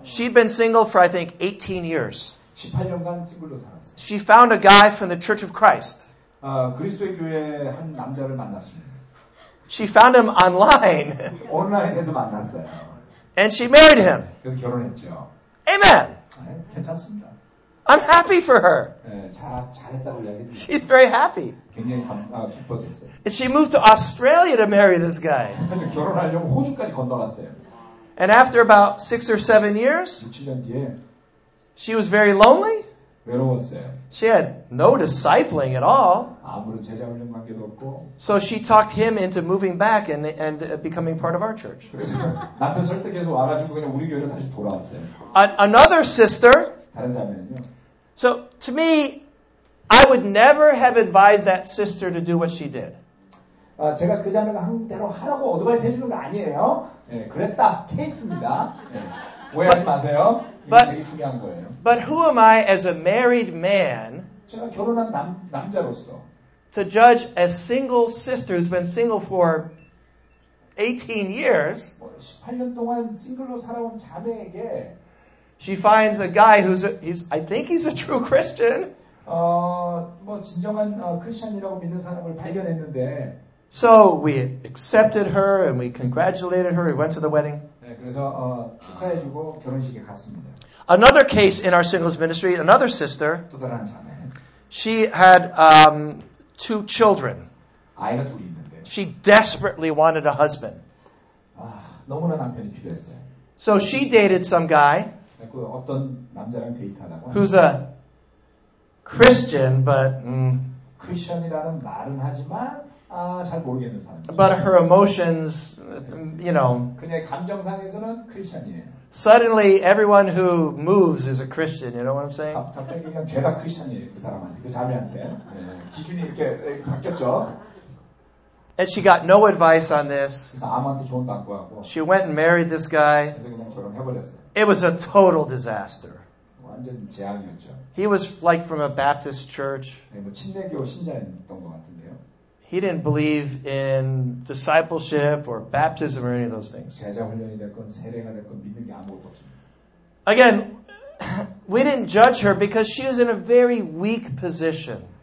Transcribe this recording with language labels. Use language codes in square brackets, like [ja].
[en] She'd been single for I think 18 years. [ko] 18년간 싱글로 살았어요. [en] She found a guy from the Church of Christ. [ko] 그리스도의 교회 한 남자를 만났습니다. [en] She found him online. [ko] 온라인에서 만났어요. [en] And she married him. [ko] 그래서 결혼했죠. [en] Amen. [ko] 네, 괜찮습니다. [en] I'm happy for her. [ko] 네, 잘했다고 이야기했죠. [en] She's very happy. [ko] 굉장히 기뻐졌어요. [en] And she moved to Australia to marry this guy. [ko] 그래서 결혼하려고 호주까지 건너갔어요. [en] And after about 6 or 7 years, [ko] 6-7년 뒤에, [en] she was very lonely. [ko] 외로웠어요. [en] She had no discipling at all. [ko] 아무런 제자 훈련 관계도 없고. [en] So she talked him into moving back and becoming part of our church. [ko] 남편 설득해서 와가지고 그냥 우리 교회로 다시 돌아왔어요. [en] Another sister. [ko] 다른 자매는요. [en] So to me, I would never have advised that sister to do what she did. [ko] 제가 그 자매가 한 대로 하라고 어드바이스 해주는 거 아니에요. 예, 그랬다 케이스입니다. 예, 오해하지 마세요. [en] But, who am I as a married man [ko] 제가 결혼한 남자로서 [en] to judge a single sister who's been single for 18 years [ko] 18년 동안 싱글로 살아온 자매에게 [en] she finds a guy who's I think he's a true Christian [ko] 뭐 진정한 크리스천이라고 믿는 사람을 발견했는데 [en] So we accepted her and we congratulated her. We went to the wedding. [ko] 네, 그래서 축하해주고 결혼식에 갔습니다. [en] Another case in our singles ministry, another sister. [ko] 또 다른 자매. [en] She had two children. [ko] 아이가 둘이 있는데. [en] She desperately wanted a husband. [ko] 너무나 남편이 필요했어요. [en] So she dated some guy. [ko] 네, 그 어떤 남자랑 데이트하다가. [en] Who's a Christian, but. [ko] Christian이라는 말은 하지만. 잘 모르겠는 사람. [en] But her emotions, you know. [ko] 그녀의 감정상에서는 크리스천이에요. [en] Suddenly, everyone who moves is a Christian. You know what I'm saying? [ko] 갑자기 그냥 제가 크리스천이에요 그 사람한테 그 자매한테. 기준이 이렇게 바뀌었죠. [en] And she got no advice on this. [ko] 그래서 아무한테 조언도 안 구하고. [en] She went and married this guy. [ko] 그래서 그냥 결혼해버렸어요. [en] It was a total disaster. [ko] 완전 재앙이었죠. [en] He was like from a Baptist church. [ko] 네, 뭐 침례교 신자였던 것 같은데. [en] He didn't believe in discipleship or baptism or any of those things. [ko] 제자 훈련이 됐건 세례가 됐건 믿는 게 아무것도 없습니다. [en] Again, we didn't judge her because she was in a very weak position.